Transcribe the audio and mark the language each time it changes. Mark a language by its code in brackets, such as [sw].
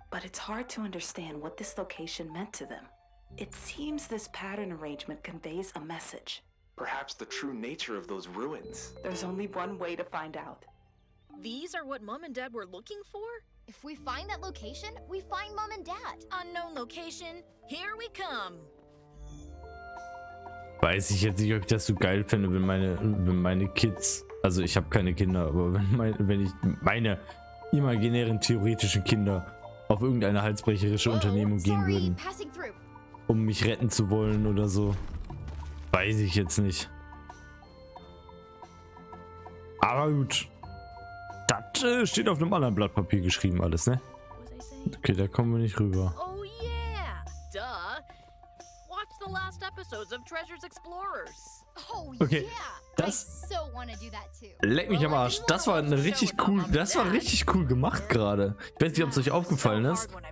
[en] But it's hard to understand what this location meant to them. It seems this pattern arrangement conveys a message. Perhaps the true nature of those ruins. There's only one way to find out. These are what Mom and Dad were looking for? If we find that location, we find Mom and Dad. Unknown location, here we come. [de] Weiß ich jetzt nicht, ob ich das so geil finde, wenn meine Kids, also ich habe keine Kinder, aber wenn meine imaginären theoretischen Kinder auf irgendeine halsbrecherische Unternehmung gehen würden, um mich retten zu wollen oder so. Weiß ich jetzt nicht. Aber gut. Das steht auf einem anderen Blatt Papier geschrieben alles, ne? Okay, da kommen wir nicht rüber. [en] Oh yeah. Duh. Watch the last episodes of Treasure's Explorers. [de] Okay. Das leck mich am Arsch. Das war eine richtig cool, das war richtig cool gemacht gerade. Ich weiß nicht, ob es euch aufgefallen ist.